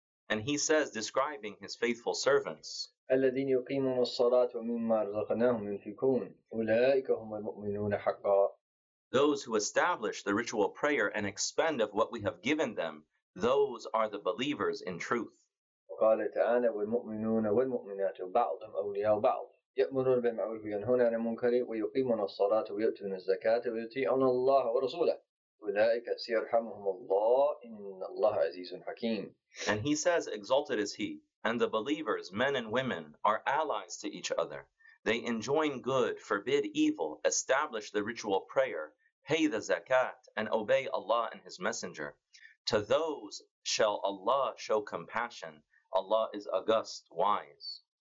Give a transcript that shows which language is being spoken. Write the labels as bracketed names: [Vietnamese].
[English] And He says, describing His faithful servants, those who establish the ritual prayer and expend of what we have given them, those are the believers in truth. [Arabic] قال تعالى والمؤمنون والمؤمنات بعضهم أولياء بعض يأمرون بالمعروف وينهون عن المنكر ويقيمون الصلاة ويؤتون الزكاة ويطيعون الله ورسوله أولئك سيرحمهم الله إن الله عزيز حكيم. [English] And he says, exalted is he, and the believers, men and women, are allies to each other. They enjoin good, forbid evil, establish the ritual prayer, pay the zakat, and obey Allah and His Messenger. To those shall Allah show compassion. Allah is august, wise.